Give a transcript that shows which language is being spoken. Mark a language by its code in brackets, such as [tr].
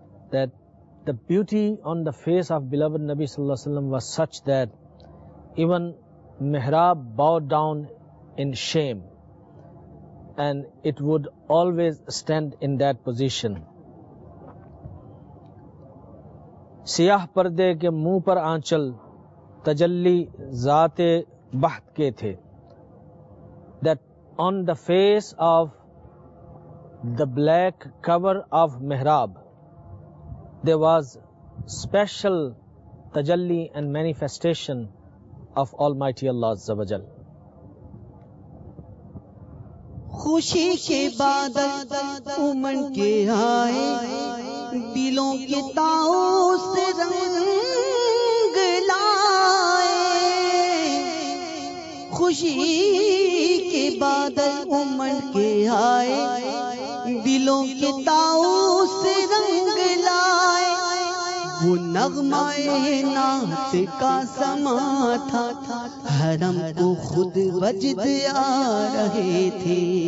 [en] That the beauty on the face of beloved Nabi [ar] Sallallahu Alaihi Wasallam [en] was such that even mihrab bowed down in shame and it would always stand in that position. [ur] سیاہ پردے کے منہ پر آنچل تجلی ذات بحت کے تھے. [en] That on the face of the black cover of mihrab, there was special tajalli and manifestation of Almighty Allah [ar] Azza wa Jal. [ur] خوشی کے بادل امن کے آئے، دلوں کے تاؤں سے رنگ لائے، خوشی کے بادل امن کے آئے، دلوں کے تاؤں سے رنگ لائے، وہ نغمہ نعت کا سما تھا، حرم کو خود وجد آ رہے تھے،